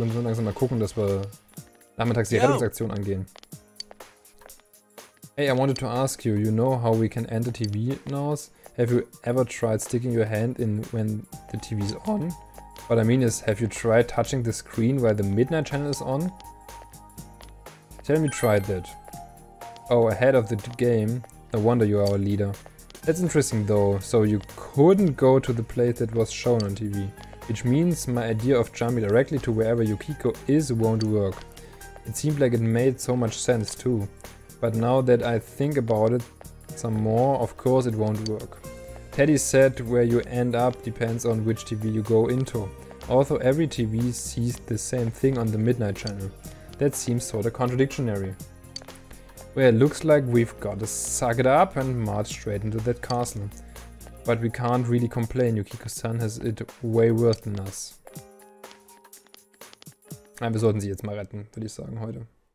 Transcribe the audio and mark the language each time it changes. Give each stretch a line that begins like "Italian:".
German: Wir müssen langsam mal gucken, dass wir nachmittags die Rettungsaktion angehen.
English: Hey, I wanted to ask you. You know how we can end the TV now? Have you ever tried sticking your hand in when the TV is on? What I mean is, have you tried touching the screen while the Midnight Channel is on? Tell me tried that. Oh, ahead of the game. No wonder you are our leader. That's interesting though. So you couldn't go to the place that was shown on TV. Which means my idea of jumping directly to wherever Yukiko is won't work. It seemed like it made so much sense too. But now that I think about it some more, of course it won't work. Teddy said where you end up depends on which TV you go into. Also, every TV sees the same thing on the Midnight Channel. That seems sort of contradictionary. Well, it looks like we've got to suck it up and march straight into that castle. But we can't really complain, Yukiko-san has it way worse than us.
German: Nein, wir sollten sie jetzt mal retten, würde ich sagen, heute.